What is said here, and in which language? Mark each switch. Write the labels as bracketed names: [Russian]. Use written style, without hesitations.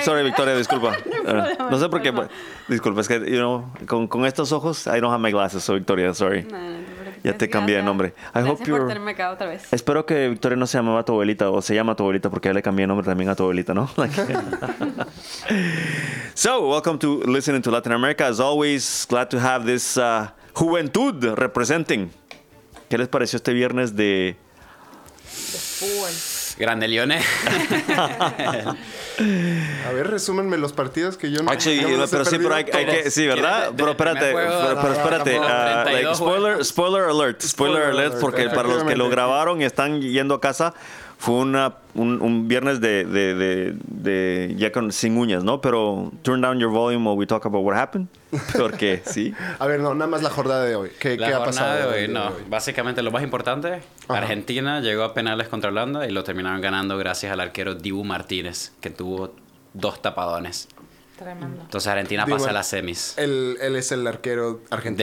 [Spanish] Sorry, Victoria, disculpa. No sé por qué. Disculpa, es que, [English] you know, [Spanish] con estos ojos, [English] I don't have my glasses, so [Spanish] Victoria, sorry. No, ya te cambié de nombre. Gracias por tenerme acá otra vez. Espero que Victoria no se llamaba tu abuelita o se llama tu abuelita porque ya le cambié de nombre también a tu abuelita, ¿no? [English] So, welcome to Listening to Latin America. As always, glad to have this juventud representing. [Spanish] ¿Qué les pareció este viernes de... Grande Lione. A ver, resúmenme los partidos que yo no... Espérate. [English] Spoiler alert. [Spanish] Porque para los que lo grabaron y están yendo a casa, fue un viernes de ya con, sin uñas, ¿no? [English] Pero turn down your volume while we talk about what happened. [Spanish] Porque, sí. A ver, no, nada más la jornada de hoy. ¿Qué ha pasado? La jornada de hoy, no. Básicamente, lo más importante, ajá, Argentina llegó a penales contra Holanda y lo terminaron ganando gracias al arquero Dibu Martínez, que tuvo dos tapadones. Tremendo. Entonces, Argentina pasa a las semis. Él es el arquero argentino.